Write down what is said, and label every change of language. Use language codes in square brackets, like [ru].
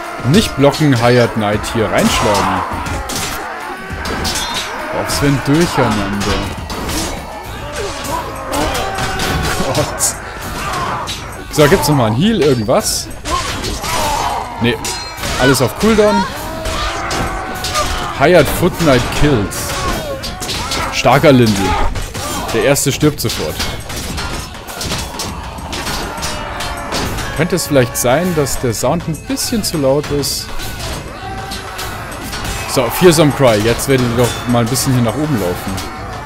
[de] Nicht blocken, Hired Knight hier reinschlagen. Was für ein Durcheinander. Gott. So, gibt's nochmal einen Heal, irgendwas? Nee, alles auf Cooldown. [en] Hired Foot Knight kills. [de] Starker Lindy. Der erste stirbt sofort. Könnte es vielleicht sein, dass der Sound ein bisschen zu laut ist? So, Fearsome Cry. Jetzt werden die doch mal ein bisschen hier nach oben laufen.